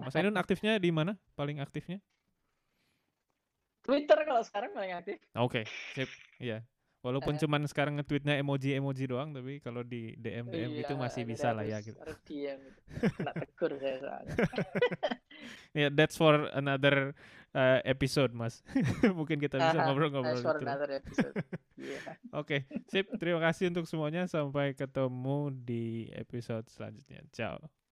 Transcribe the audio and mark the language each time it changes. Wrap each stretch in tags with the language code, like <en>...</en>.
<id>Mas Ainun aktifnya di mana? Paling aktifnya? Twitter kalau sekarang paling aktif. Oke, sip. Iya. Walaupun cuman sekarang nge-tweetnya emoji-emoji doang, tapi kalau di DM-DM itu masih bisa lah ya. Harus DM. Nggak tegur saya soalnya.</id> <en>Yeah, that's for another episode, Mas.</en> <id>Mungkin kita bisa ngobrol-ngobrol.</id> <en>That's for another episode.</en> <id>Oke, sip. Terima kasih untuk semuanya. Sampai ketemu di episode selanjutnya. Ciao.</id>